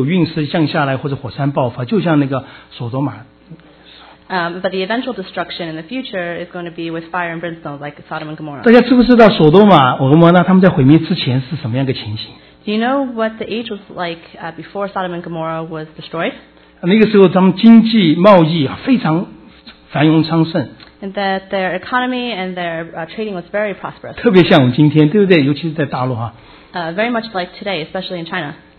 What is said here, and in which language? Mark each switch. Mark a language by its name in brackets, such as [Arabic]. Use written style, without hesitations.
[Chinese] 在将来的毁灭是用火烧，可能有陨石降下来，或者火山爆发，就像那个索多玛。 [English] But the eventual destruction in the future is going to be with fire and brimstone, like Sodom and Gomorrah. [Chinese] 大家知不知道索多玛、俄摩拉他们在毁灭之前是什么样的情形？ [English] Do you know what the age was like before Sodom and Gomorrah was destroyed? [Chinese] 那个时候他们经济贸易非常繁荣昌盛。 [English] And that their economy and their trading was very prosperous. [Chinese] 特别像我们今天，对不对？尤其是在大陆哈。 [English] Very much like today, especially in China.